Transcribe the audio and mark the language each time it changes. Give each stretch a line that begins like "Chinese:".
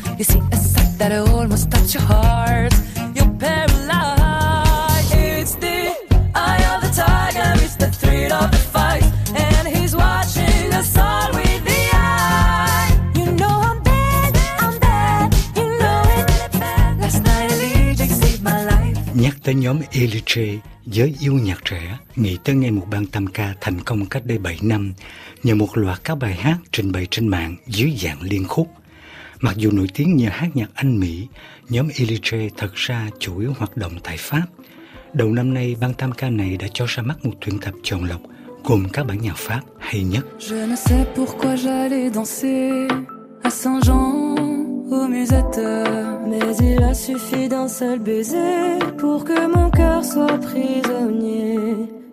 English: You see a sight that almost touch your heart. You're paralyzed. It's the eye of the tiger. It's the thrill of the fight. And he's watching us all with the eye. You know I'm bad. I'm bad. You know it. Last night, Ali J saved my life.
Vietnamese: Nhắc tới nhóm Ali J, giới yêu nhạc trẻ nghĩ tới ngay một ban tam ca thành công cách đây 7 năm nhờ một loạt các bài hát trình bày trên mạng dưới dạng liên khúc. Mặc dù nổi tiếng nhờ hát nhạc Anh Mỹ, nhóm Ali J thật ra chủ yếu hoạt động tại Pháp. Đầu năm nay, ban tam ca này đã cho ra mắt một tuyển tập chọn lọc gồm các bản nhạc Pháp hay nhất.
French: Je ne sais pourquoi j'allais danser à Saint-Jean au musette, mais il a suffi d'un seul baiser pour que mon cœur soit prisonnier.